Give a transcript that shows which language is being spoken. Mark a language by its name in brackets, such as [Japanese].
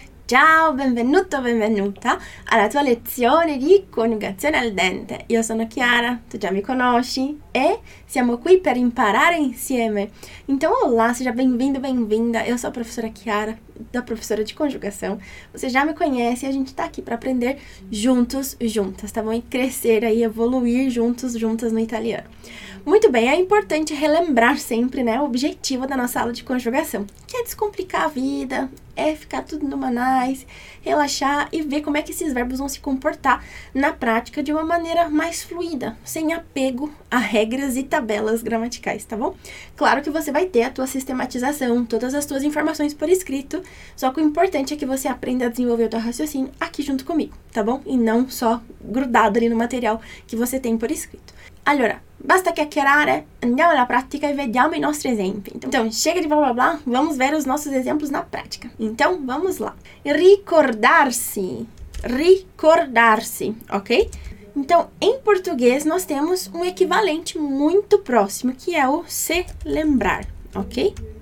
[Italian] Ciao, benvenuto, benvenuta alla tua lezione di coniugazione al dente. Io sono Chiara, tu già mi conosci e siamo qui per imparare insieme. [Portuguese] Então, olá, seja bem-vindo, bem-vinda. Eu sou a professora Chiara, da professora de conjugação. Você já me conhece e a gente está aqui para aprender juntos, juntas, tá bom? E crescer aí, evoluir juntos, juntas no italiano. Muito bem, é importante relembrar sempre, né, o objetivo da nossa aula de conjugação, que é descomplicar a vida, é ficar tudo numa nice, relaxar e ver como é que esses verbos vão se comportar na prática de uma maneira mais fluida, sem apego a regras e tabelas gramaticais, tá bom? Claro que você vai ter a tua sistematização, todas as tuas informações por escrito, só que o importante é que você aprenda a desenvolver o teu raciocínio aqui junto comigo, tá bom? E não só grudado ali no material que você tem por escrito. [Italian] Allora, basta chiacchierare, andiamo alla pratica e vediamo i nostri esempi. [Portuguese] Então, chega di bla bla bla, vamos ver os nossos exemplos na prática. Então, vamos lá. [Italian] Ricordarsi. Ricordarsi, ok? [Portuguese] Então, em português, nós temos um equivalente muito próximo, que é o se lembrar, ok?